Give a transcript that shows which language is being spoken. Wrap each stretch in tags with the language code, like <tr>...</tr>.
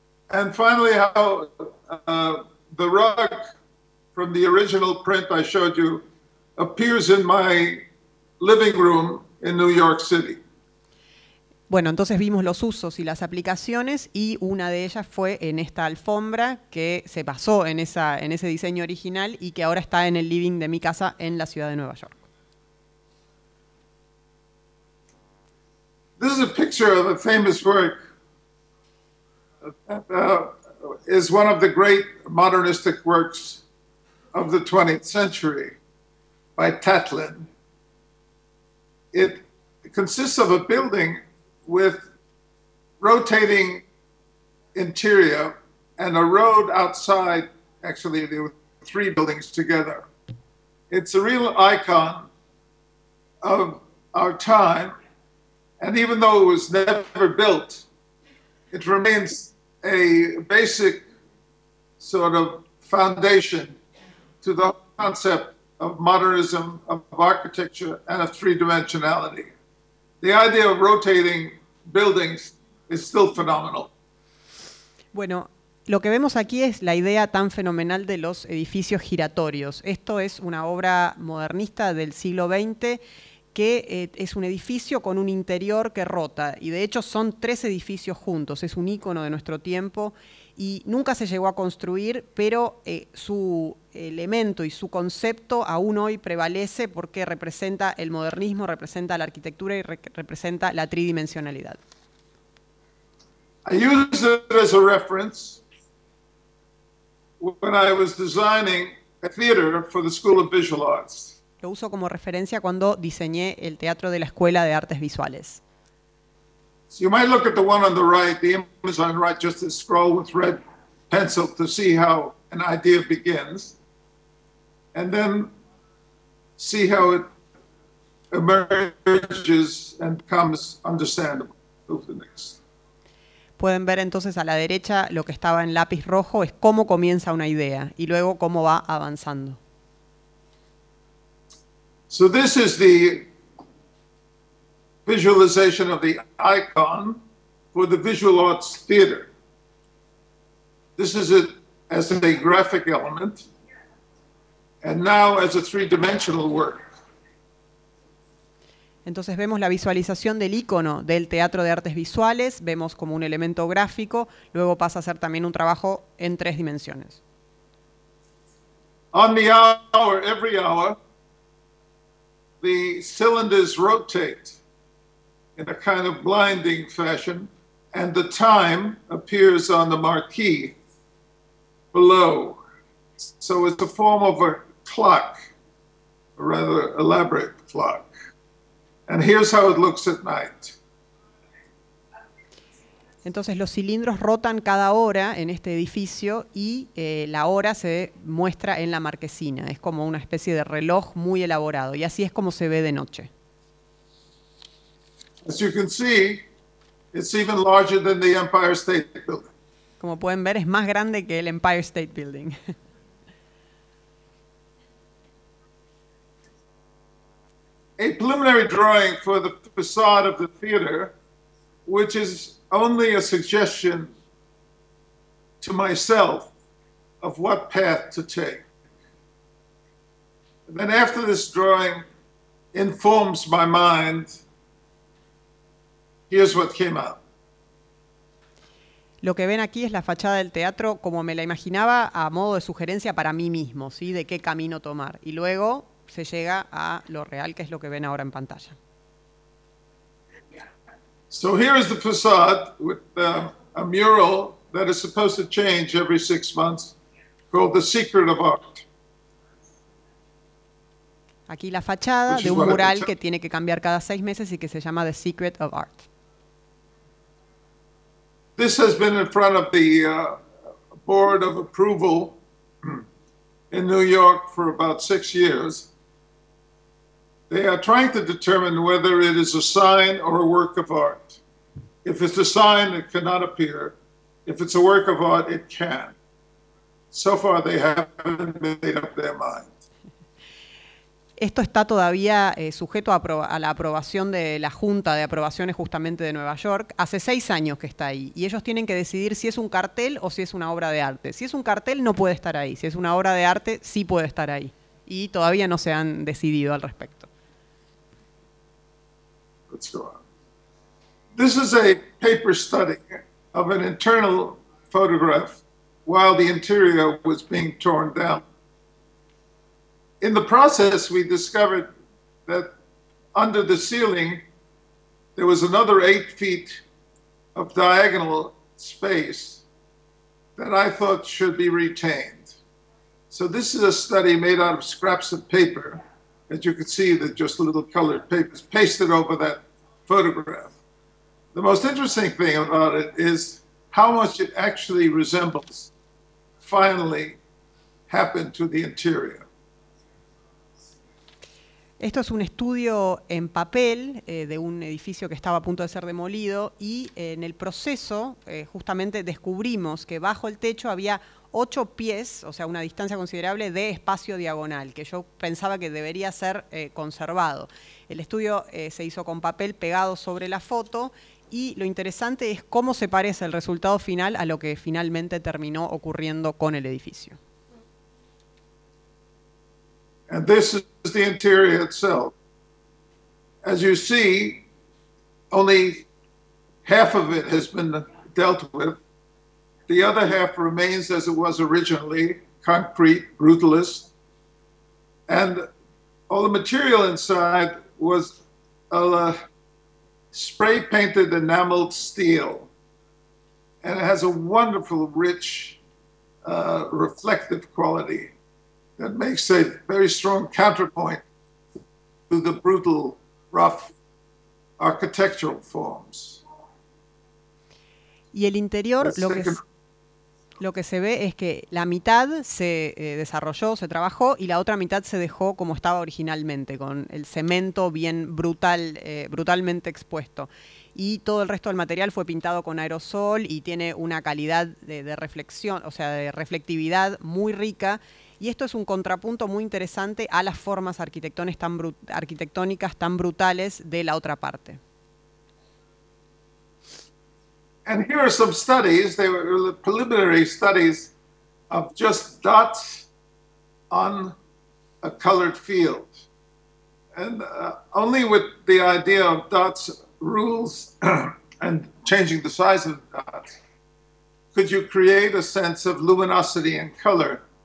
<en>And finally, how the rug from the original print I showed you appears in my living room in New York City.</en> <es>Bueno, entonces vimos los usos y las aplicaciones y una de ellas fue en esta alfombra que se basó en ese diseño original y que ahora está en el living de mi casa en la ciudad de Nueva York.</es> <en>This is a picture of a famous work is one of the great modernistic works of the 20th century by Tatlin. It consists of a building with rotating interior and a road outside, actually there were three buildings together. It's a real icon of our time. And even though it was never built, it remains a basic sort of foundation to the concept of modernism, of architecture, and of three-dimensionality. The idea of rotating buildings is still phenomenal.</en> <es>Bueno, lo que vemos aquí es la idea tan fenomenal de los edificios giratorios. Esto es una obra modernista del siglo XX que es un edificio con un interior que rota. Y de hecho son tres edificios juntos, es un ícono de nuestro tiempo y nunca se llegó a construir, pero su elemento y su concepto aún hoy prevalece porque representa el modernismo, representa la arquitectura y representa la tridimensionalidad.</es> <en>I used it as a reference when I was designing a theater for the School of Visual Arts.</en> <es>Lo uso como referencia cuando diseñé el teatro de la Escuela de Artes Visuales.</es> <en>So you might look at the one on the right, the image on the right, just a scroll with red pencil to see how an idea begins, and then see how it emerges and becomes understandable. Move the next.</en> <es>Pueden ver entonces a la derecha lo que estaba en lápiz rojo es cómo comienza una idea y luego cómo va avanzando.</es> <en>So this is the visualization of the icon for the Visual Arts Theater. This is it as a graphic element and now as a three-dimensional work.</en> <es>Entonces vemos la visualización del icono del Teatro de Artes Visuales, vemos como un elemento gráfico, luego pasa a ser también un trabajo en tres dimensiones.</es> <en>On the hour, every hour, the cylinders rotate in a kind of blinding fashion, and the time appears on the marquee below. So it's a form of a clock, a rather elaborate clock. And here's how it looks at night.</en> <es>Entonces los cilindros rotan cada hora en este edificio y la hora se muestra en la marquesina. Es como una especie de reloj muy elaborado y así es como se ve de noche.</es> <en>As you can see, it's even larger than the Empire State Building.</en> <es>Como pueden ver, es más grande que el Empire State Building.</es> <en>A preliminary drawing for the facade of the theater, which is only a suggestion to myself of what path to take. And then after this drawing informs my mind, here's what came out.</en> <es>Lo que ven aquí es la fachada del teatro como me la imaginaba a modo de sugerencia para mí mismo, ¿sí? De qué camino tomar. Y luego se llega a lo real, que es lo que ven ahora en pantalla.</es> <en>So here is the facade with a mural that is supposed to change every 6 months called The Secret of Art.</en> <es>Aquí la fachada de un mural que tiene que cambiar cada 6 meses y que se llama The Secret of Art.</es> <en>This has been in front of the Board of Approval in New York for about 6 years. They are trying to determine whether it is a sign or a work of art. If it's a sign, it cannot appear. If it's a work of art, it can. So far, they haven't made up their mind.</en> <es>Esto está todavía sujeto a la aprobación de la Junta de Aprobaciones justamente de Nueva York. Hace 6 años que está ahí y ellos tienen que decidir si es un cartel o si es una obra de arte. Si es un cartel, no puede estar ahí. Si es una obra de arte, sí puede estar ahí. Y todavía no se han decidido al respecto.</es> <en>Let's go on. This is a paper study of an internal photograph while the interior was being torn down. In the process, we discovered that under the ceiling, there was another 8 feet of diagonal space that I thought should be retained. So this is a study made out of scraps of paper. As you can see, they're just little colored papers pasted over that photograph. The most interesting thing about it is how much it actually resembles finally happened to the interior.</en> <es>Esto es un estudio en papel de un edificio que estaba a punto de ser demolido y en el proceso justamente descubrimos que bajo el techo había 8 pies, o sea, una distancia considerable de espacio diagonal, que yo pensaba que debería ser conservado. El estudio se hizo con papel pegado sobre la foto y lo interesante es cómo se parece el resultado final a lo que finalmente terminó ocurriendo con el edificio.</es> <en>And this is the interior itself. As you see, only half of it has been dealt with. The other half remains as it was originally, concrete, brutalist. And all the material inside was a spray-painted enameled steel. And it has a wonderful, rich, reflective quality. That makes a very strong counterpoint to the brutal, rough architectural forms.</en> <es>Y el interior, lo que se ve es que la mitad se desarrolló, se trabajó, y la otra mitad se dejó como estaba originalmente, con el cemento bien brutal, brutalmente expuesto. Y todo el resto del material fue pintado con aerosol y tiene una calidad de reflexión, o sea, de reflectividad muy rica. Y esto es un contrapunto muy interesante a las formas arquitectónicas tan brutales de la otra parte.</es> <en>And here are some studies, they were preliminary studies of just dots on a colored field. And only with the idea of dots rules and changing the size of dots could you create a sense of luminosity and color.</en>